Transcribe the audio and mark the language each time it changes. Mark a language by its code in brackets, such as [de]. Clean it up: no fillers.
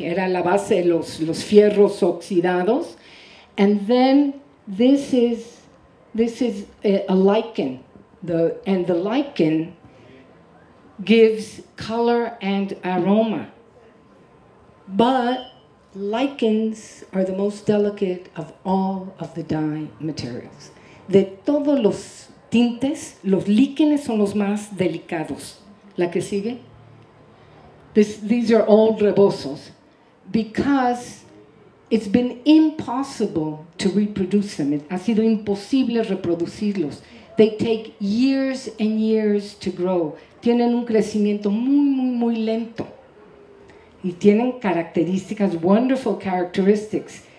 [es] Era la base de los fierros oxidados. And then this is a lichen. [en] The lichen gives color and aroma. But lichens are the most delicate of all of the dye materials. [es] De todos los tintes, los líquenes son los más delicados. La que sigue. [en] These are old rebozos because it's been impossible to reproduce them. [es] Ha sido imposible reproducirlos. They take years and years to grow. Tienen un crecimiento muy, muy, muy lento. Y tienen características, wonderful characteristics.